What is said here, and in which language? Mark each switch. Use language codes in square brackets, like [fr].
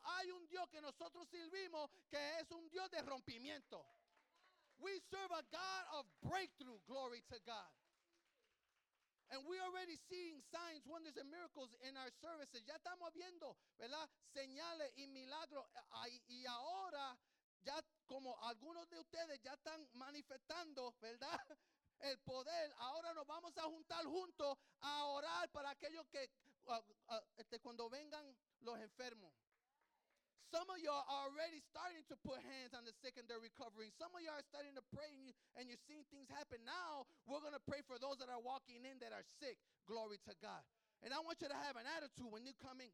[es] Hay un Dios que nosotros servimos que es un Dios de rompimiento. [en] We serve a God of breakthrough. Glory to God. And we're already seeing signs, wonders, and miracles in our services. [es] Ya estamos viendo, ¿verdad? Señales y milagros. Y ahora, ya como algunos de ustedes ya están manifestando, ¿verdad? El poder. Ahora nos vamos a juntar juntos a orar para aquellos que cuando vengan los enfermos. [en] Some of you are already starting to put hands on the sick and they're recovering. Some of you are starting to pray and you're seeing things happen. Now we're going to pray for those that are walking in that are sick. Glory to God. And I want you to have an attitude when you come in.